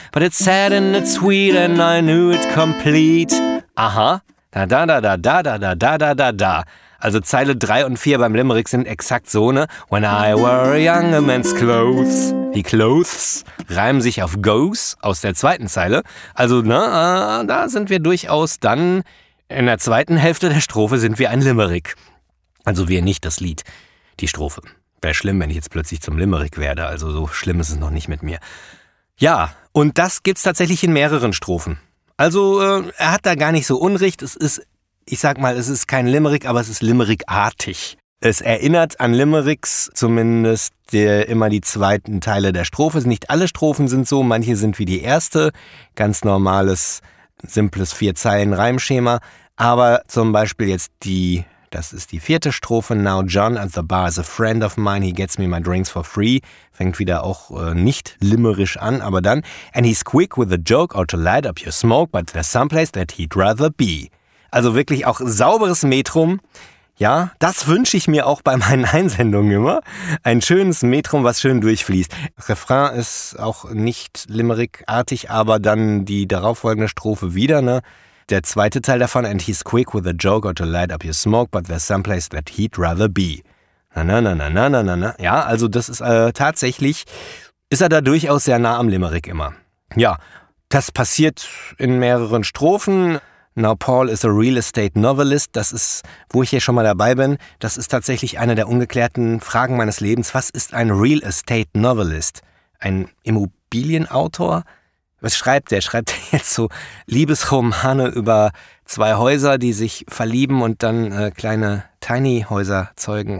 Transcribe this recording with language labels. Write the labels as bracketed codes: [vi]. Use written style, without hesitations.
[en] But it's sad and it's sweet and I knew it complete. Aha. Da da da da da da da da da da da. [de] Also Zeile 3 und 4 beim Limerick sind exakt so, ne? [en] When I wear a young man's clothes. [de] Die Clothes reimen sich auf goes aus der zweiten Zeile. Also, ne, da sind wir durchaus dann in der zweiten Hälfte der Strophe sind wir ein Limerick. Also wir nicht das Lied, die Strophe. Wäre schlimm, wenn ich jetzt plötzlich zum Limerick werde. Also so schlimm ist es noch nicht mit mir. Ja, und das gibt's tatsächlich in mehreren Strophen. Also er hat da gar nicht so Unrecht. Es ist, ich sag mal, es ist kein Limerick, aber es ist Limerick-artig. Es erinnert an Limericks, zumindest immer die zweiten Teile der Strophe. Nicht alle Strophen sind so, manche sind wie die erste. Ganz normales, simples Vier-Zeilen-Reimschema. Aber zum Beispiel jetzt Das ist die vierte Strophe. [en] Now John at the bar is a friend of mine. He gets me my drinks for free. [de] Fängt wieder auch nicht limerisch an, aber dann. [en] And he's quick with a joke or to light up your smoke, but there's someplace that he'd rather be. [de] Also wirklich auch sauberes Metrum. Ja, das wünsche ich mir auch bei meinen Einsendungen immer. Ein schönes Metrum, was schön durchfließt. Refrain ist auch nicht limerickartig, aber dann die darauffolgende Strophe wieder, ne? Der zweite Teil davon, [en] and he's quick with a joke or to light up your smoke, but there's someplace that he'd rather be. Na, na, na, na, na, na, na, na. [de] Ja, also das ist tatsächlich, ist er da durchaus sehr nah am Limerick immer. Ja, das passiert in mehreren Strophen. [en] Now Paul is a real estate novelist. [de] Das ist, wo ich hier schon mal dabei bin. Das ist tatsächlich eine der ungeklärten Fragen meines Lebens. Was ist ein real estate novelist? Ein Immobilienautor? Was schreibt der? Schreibt der jetzt so Liebesromane über zwei Häuser, die sich verlieben und dann kleine Tiny-Häuser zeugen?